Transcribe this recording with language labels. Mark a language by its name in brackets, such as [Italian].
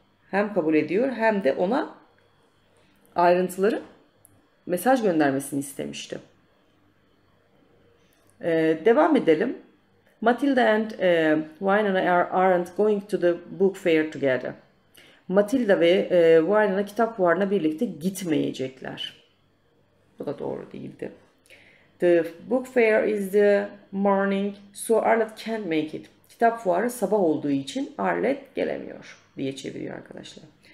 [Turkish] Hem kabul ediyor hem de ona ayrıntıları mesaj göndermesini istemişti. Devam edelim. [English] Matilda and Winona aren't going to the book fair together. [Turkish] Matilda ve Winona kitap fuarına birlikte gitmeyecekler. Bu da doğru değildi. [English] The book fair is the morning, so Arlet can't make it. [Turkish] Kitap fuarı sabah olduğu için Arlet gelemiyor diye çeviriyor arkadaşlar.